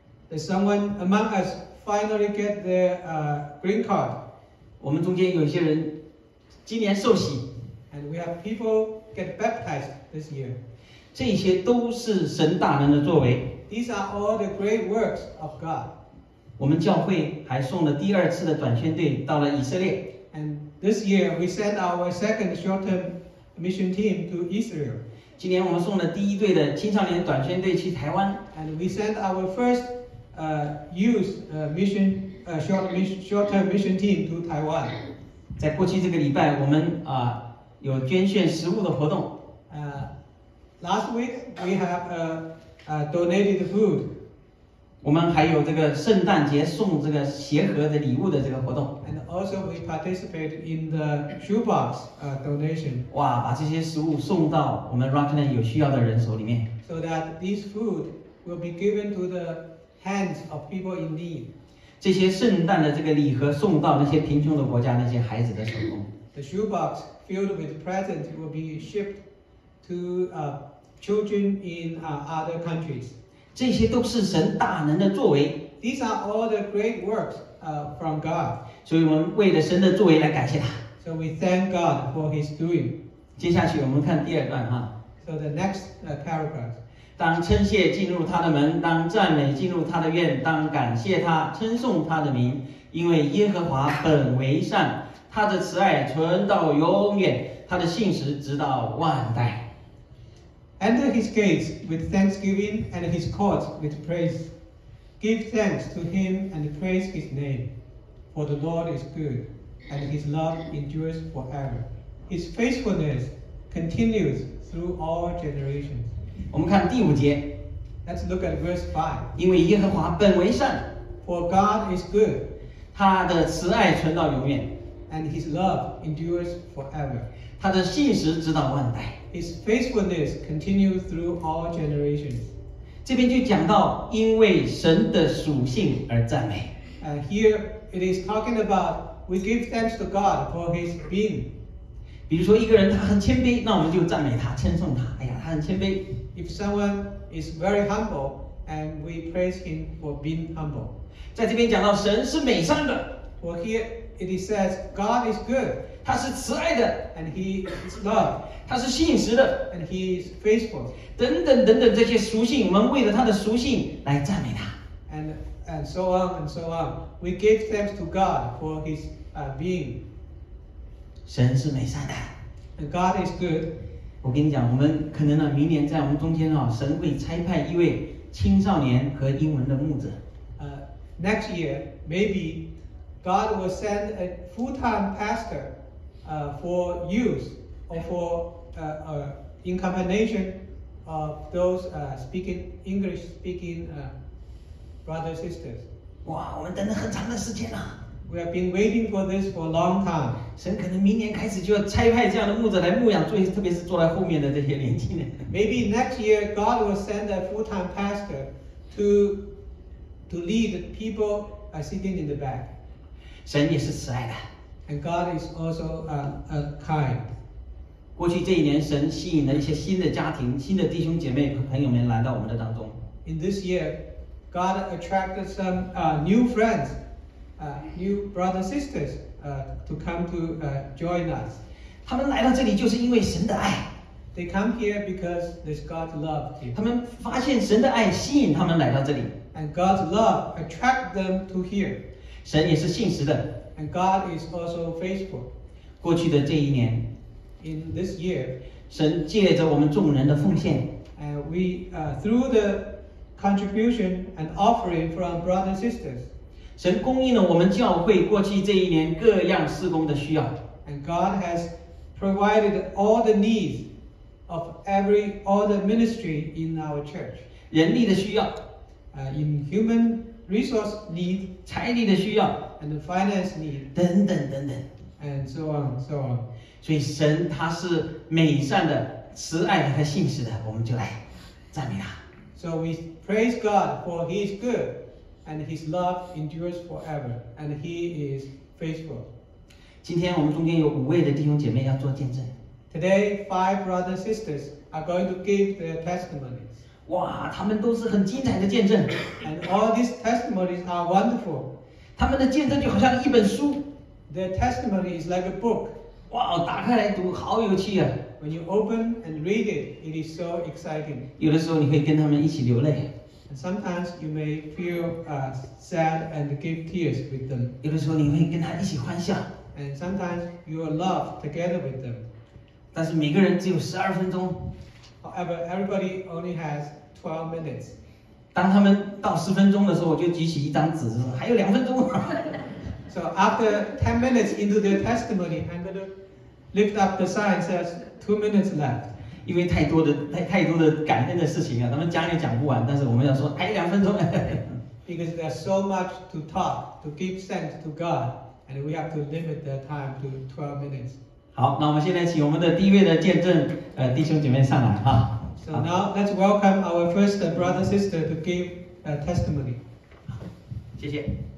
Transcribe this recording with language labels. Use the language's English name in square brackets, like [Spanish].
[English] There's someone among us finally get their green card. [Chinese] 我们中间有些人今年受洗。 [English] And we have people get baptized this year. [Chinese] 这些都是神大能的作为。 [English] These are all the great works of God. [Chinese] 我们教会还送了第二次的短宣队到了以色列。 [English] And this year we sent our second short-term mission team to Israel. [Chinese] 今年我们送了第一队的青少年短宣队去台湾。 [English] And we sent our first youth mission short-term mission team to Taiwan. [Chinese] 在过去这个礼拜，我们有捐献食物的活动。 [English] Last week we have donated food. [Chinese] 我们还有这个圣诞节送这个鞋盒的礼物的这个活动。 [English] And also we participate in the shoebox donation. [Chinese] 哇，把这些食物送到我们 Rockland 有需要的人手里面。 [English] So that this food will be given to the hands of people in need. [Chinese] 这些圣诞的这个礼盒送到那些贫穷的国家那些孩子的手中。 [English] The shoebox. Filled with presents will be shipped to children in other countries. [Chinese] 这些都是神大能的作为。 [English] These are all the great works from God. [Chinese] 所以我们为了神的作为来感谢他。 [English] So we thank God for his doing. [Chinese] 接下去我们看第二段哈。 [English] So the next paragraph. [Chinese] 当称谢进入他的门，当赞美进入他的院，当感谢他，称颂他的名，因为耶和华本为善。他的慈爱存到永远，他的信实直到万代。 [English] Enter his gates with thanksgiving and his courts with praise. Give thanks to him and praise his name. For the Lord is good, and his love endures forever. His faithfulness continues through all generations. [Chinese] 我们看第五节。 [English] Let's look at verse 5. [Chinese] 因为耶和华本为善。 [English] For God is good. [Chinese] 他的慈爱存到永远。 [English] And his love endures forever. [Chinese] 他的信实直到万代。 [English] His faithfulness continues through all generations. [Chinese] 这边就讲到因为神的属性而赞美。 [English] And here it is talking about we give thanks to God for his being. [Chinese] 比如说一个人他很谦卑，那我们就赞美他，称颂他。哎呀，他很谦卑。 [English] If someone is very humble, and we praise him for being humble. [Chinese] 在这边讲到神是美善的。 [English] Well, here it says God is good. [Chinese] 他是慈爱的。 [English] And he is love. [Chinese] 他是信实的。 [English] And he is faithful. [Chinese] 等等等等这些属性，我们为了他的属性来赞美他。 [English] And so on and so on. We give thanks to God for his being. [Chinese] 神是美善的。 [English] And God is good. [Chinese] 我跟你讲，我们可能呢，明年在我们中间啊，神会差派一位青少年和英文的牧者。 [English] Next year, maybe. God will send a full-time pastor for youth or for in combination of those speaking English speaking brothers and sisters. [Chinese] 哇，我们等了很长的时间了。 [English] We have been waiting for this for a long time. [Chinese] 神可能明年开始就要差派这样的牧者来牧养，特别是坐在后面的这些年轻人。 [English] Maybe next year God will send a full-time pastor to lead people sitting in the back. [Chinese] 神也是慈爱的。 [English] And God is also kind. [Chinese] 过去这一年，神吸引了一些新的家庭、新的弟兄姐妹和朋友们来到我们的当中。 [English] In this year, God attracted some new friends, new brothers and sisters to come to join us. [Chinese] 他们来到这里就是因为神的爱。 [English] They come here because there's God's love. [Chinese] 他们发现神的爱吸引他们来到这里。 [English] And God's love attracted them to here. [Chinese] 神也是信实的。 [English] And God is also faithful. [Chinese] 过去的这一年 [English] ，In this year, [Chinese] 神借着我们众人的奉献 [English] ，And we through the contribution and offering from brothers and sisters, [Chinese] 神供应了我们教会过去这一年各样事工的需要。 [English] And God has provided all the needs of all the ministry in our church. [Chinese] 人力的需要 [English] ，In human. Resource need, [Chinese] 财力的需要 [English] and finance need, [Chinese] 等等等等 [English] and so on, so on. [Chinese] 所以神他是美善的、慈爱的和信实的，我们就来赞美他。 [English] So we praise God for He is good, and His love endures forever, and He is faithful. [Chinese] 今天我们中间有五位的弟兄姐妹要做见证。 [English] Today, five brothers and sisters are going to give their testimonies. [Chinese] 哇，他们都是很精彩的见证。 [English] And all these testimonies are wonderful. [Chinese] 他们的见证就好像一本书。 [English] Their testimony is like a book. [Chinese] 哇，打开来读好有趣啊。 [English] When you open and read it, it is so exciting. [Chinese] 有的时候你会跟他们一起流泪。 [English] And sometimes you may feel sad and give tears with them. [Chinese] 有的时候你会跟他一起欢笑。 [English] And sometimes you will laugh together with them. [Chinese] 但是每个人只有十二分钟。 [English] However, everybody only has 12 minutes. [Chinese] 当他们到十分钟的时候，我就举起一张纸，说还有两分钟。 [English] So after 10 minutes into their testimony, I'm going to lift up the sign that says 2 minutes left. [Chinese] 因为太多的感恩的事情啊，他们讲也讲不完，但是我们要说还有两分钟。 [English] Because there's so much to talk, to give thanks to God, and we have to limit the time to 12 minutes. [Chinese] 好，那我们现在请我们的第一位的见证，弟兄姐妹上来哈。 [English] So now let's welcome our first brother sister to give a testimony. [Chinese] 谢谢。